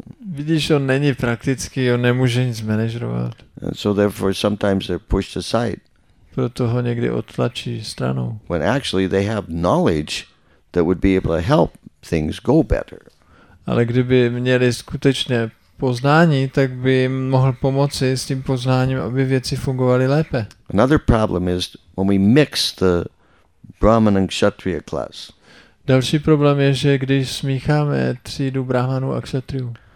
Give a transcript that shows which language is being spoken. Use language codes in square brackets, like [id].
[cs] Vidíš, on není praktický, on nemůže nic manažovat. [en] And so therefore sometimes they're pushed aside. [cs] Proto ho někdy odtlačí stranou. [en] When actually they have knowledge that would be able to help things go better. [cs] Ale kdyby měli skutečně poznání, tak by jim mohl pomoci s tím poznáním, aby věci fungovaly lépe. [en] Another problem is when we mix the Brahman and Kshatriya class. [cs] Další problém je, že když smícháme třídu Brahmanů a Kshatriů.